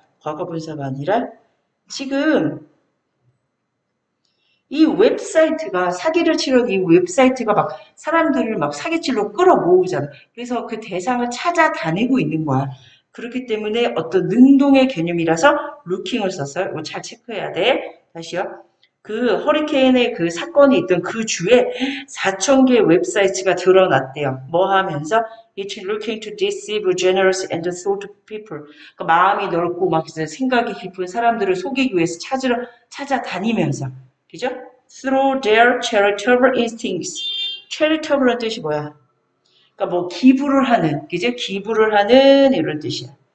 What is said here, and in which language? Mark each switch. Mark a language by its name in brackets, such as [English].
[Korean] 과거 분사가 아니라 지금 이 웹사이트가, 사기를 치려고 이 웹사이트가 막 사람들을 막 사기치려고 끌어모으잖아. 그래서 그 대상을 찾아다니고 있는 거야. 그렇기 때문에 어떤 능동의 개념이라서 루킹을 썼어요. 뭐잘 체크해야 돼. 다시요. 그 허리케인의 그 사건이 있던 그 주에 4천 개의 웹사이트가 드러났대요. 뭐 하면서? [English] It's looking to deceive generous and thoughtful people. [Korean] 그 마음이 넓고 막 이제 생각이 깊은 사람들을 속이기 위해서 찾아다니면서. 그죠? [English] Through their charitable instincts. [Korean] Charitable란 뜻이 뭐야? 그러니까 뭐 기부를 하는, 그죠? 기부를 하는 이런 뜻이야.